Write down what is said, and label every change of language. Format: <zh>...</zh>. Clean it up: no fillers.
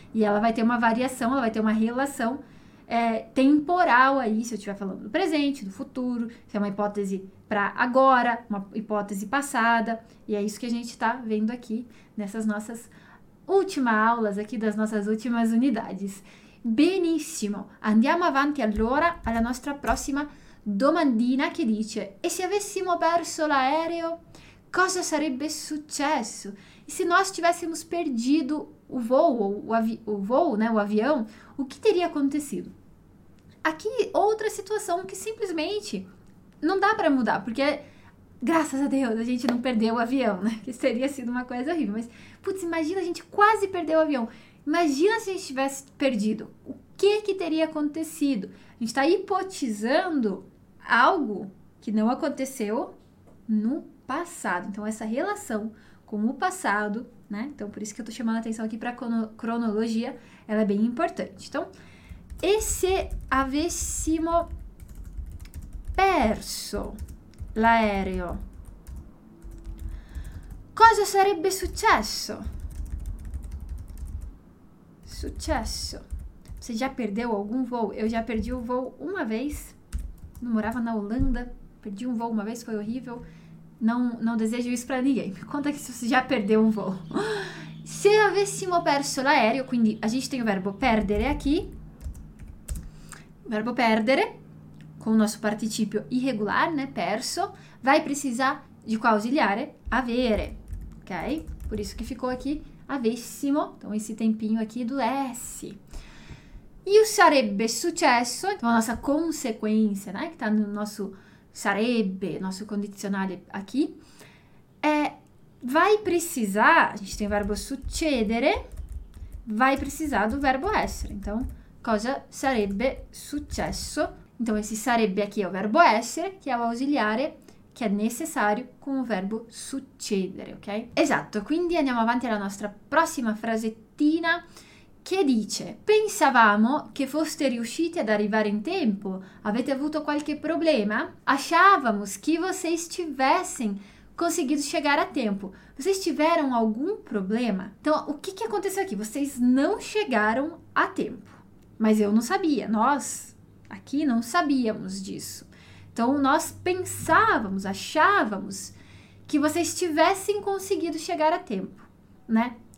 <pt>E ela vai ter uma variação, ela vai ter uma relação temporal aí, se eu estiver falando do presente, do futuro, se é uma hipótese para agora, uma hipótese passada. E é isso que a gente está vendo aqui nessas nossas últimas aulas aqui das nossas últimas unidades.</pt> <it>Benissimo, andiamo avanti allora alla nostra prossima domandina che dice: e se avessimo perso l'aereo, cosa sarebbe successo?</it> <pt>E se nós tivéssemos perdido o voo, né, o avião, o que teria acontecido? Aqui outra situação que simplesmente não dá para mudar, porque graças a Deus a gente não perdeu o avião, né? Que seria sido uma coisa horrível, mas putz, imagina, a gente quase perdeu o avião. Imagina se a gente tivesse perdido, o que que teria acontecido? A gente está hipotizando algo que não aconteceu no passado. Então, essa relação com o passado, né? Então, por isso que eu estou chamando a atenção aqui para a cronologia, ela é bem importante.</pt> <it>Então, e se avessimo perso l'aereo, cosa sarebbe successo? Successo.</it> <pt>Você já perdeu algum voo? Eu já perdi o voo uma vez. Não morava na Holanda. Perdi um voo uma vez, foi horrível. Não desejo isso para ninguém. Me conta aqui se você já perdeu um voo.</pt> <it>Se avessimo perso l'aereo, quindi</it> <pt>a gente tem o verbo perdere aqui. Verbo perdere com o nosso participio irregular, né? Perso. Vai precisar de qual ausiliare? Avere. Ok? Por isso que ficou aqui. Avessimo, então esse tempinho aqui do S. E o sarebbe successo, então a nossa consequência, né, que tá no nosso sarebbe, nosso condizionale aqui, vai precisar, a gente tem o verbo succedere, vai precisar do verbo essere. Então, cosa sarebbe successo? Então, esse sarebbe aqui é o verbo essere,</pt> <it>che è l'ausiliare che è necessario con il verbo succedere,</it> <pt>ok?</pt> <it>Esatto, quindi andiamo avanti alla nostra prossima frasettina che dice: pensavamo che foste riusciti ad arrivare in tempo, avete avuto qualche problema?</it> <pt>Achávamos que vocês tivessem conseguido chegar a tempo. Vocês tiveram algum problema? Então, o que que aconteceu aqui? Vocês não chegaram a tempo. Mas eu não sabia, nós aqui não sabíamos disso. Então, nós pensávamos, achávamos que vocês tivessem conseguido chegar a tempo, né?</pt>